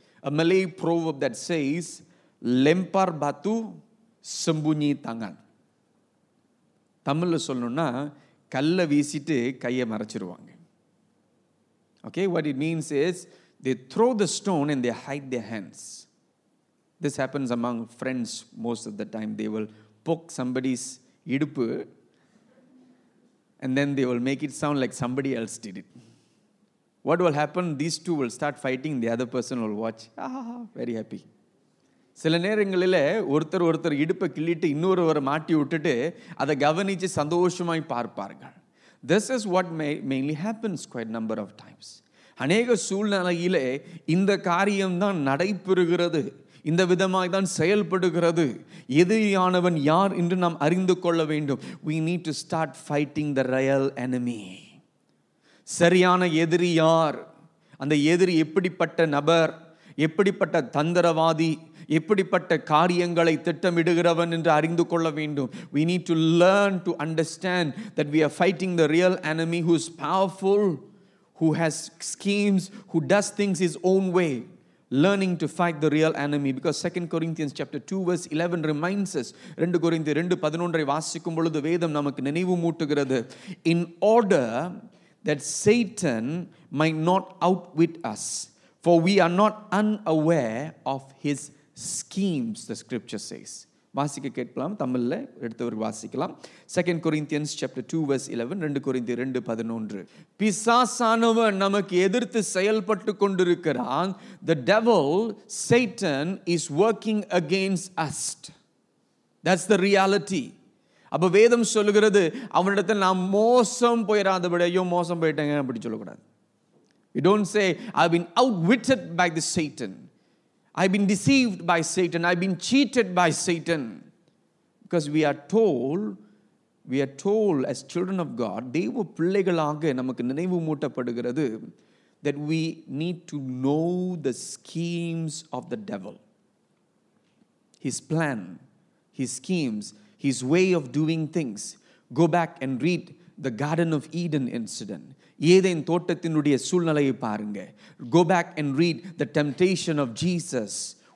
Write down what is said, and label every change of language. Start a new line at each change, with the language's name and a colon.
English: A Malay proverb that says,
Malay: Lempar batu sembunyi tangan.
Tamil: தமிழில் சொல்லணும்னா, கல்லை வீசிட்டு கையை மறைச்சிருவாங்க.
English: Okay, what it means is, they throw the stone and they hide their hands. This happens among friends most of the time. They will poke somebody's iduppu and then they will make it sound like somebody else did it. What will happen? These two will start fighting. The other person will watch. Very happy.
Tamil: சில நேரங்களில் ஒருத்தர் ஒருத்தர் இடுப்பை கிள்ளிட்டு இன்னொருவரை மாட்டி விட்டுட்டு அதை கவனித்து சந்தோஷமாய் பார்ப்பார்கள்.
English: This is what mainly happens quite number of times.
Tamil: அநேக சூழ்நிலையிலே இந்த காரியம்தான் நடைபெறுகிறது, இந்த விதமாக தான் செயல்படுகிறது. எதிரியானவன் யார் என்று நாம் அறிந்து கொள்ள வேண்டும்.
English: We need to start fighting the real enemy.
Tamil: சரியான எதிரி யார், அந்த எதிரி எப்படிப்பட்ட நபர், எப்படிப்பட்ட தந்திரவாதி, எப்படிப்பட்ட காரியங்களை திட்டமிடுகிறவன் என்று அறிந்து கொள்ள வேண்டும்.
English: We need to learn to understand that we are fighting the real enemy who is powerful, who has schemes, who does things his own way. Learning to fight the real enemy, because 2 Corinthians chapter 2 verse 11 reminds us, 2 Corinthians 2:11
Tamil: ஐ வாசிக்கும் பொழுது வேதம் நமக்கு நினைவு மூட்டுகிறது.
English: In order that Satan might not outwit us, for we are not unaware of his schemes, the scripture says.
Tamil: வாசிக்க கேட்கலாம், தமிழ்ல எடுத்தவர்கள் வாசிக்கலாம். 2 Corinthians chapter 2 verse 11, 2 Corinthians 2:11. பிசாசானவன் நமக்கு எதிர்த்து செயல்பட்டு கொண்டிருக்கிறான்.
English: The devil, Satan, is working against us. That's the reality.
Tamil: அப்போ வேதம் சொல்லுகிறது, அவனிடத்தில் நாம் மோசம் போயிடாதபடி, ஐயோ மோசம் போயிட்டேங்க அப்படி சொல்லக்கூடாது.
English: You don't say, I've been outwitted by the Satan. I've been deceived by Satan. I've been cheated by Satan. Because we are told as children of God,
Tamil: தேவ பிள்ளைகளாக நமக்கு நினைவு மூட்டப்படுகிறது,
English: that we need to know the schemes of the devil. His plan, his schemes, his way of doing things. Go back and read the Garden of Eden incident.
Tamil: Eden தோட்டத்தினுடைய சூழ்நிலையை பாருங்க.
English: Go back and read the temptation of Jesus.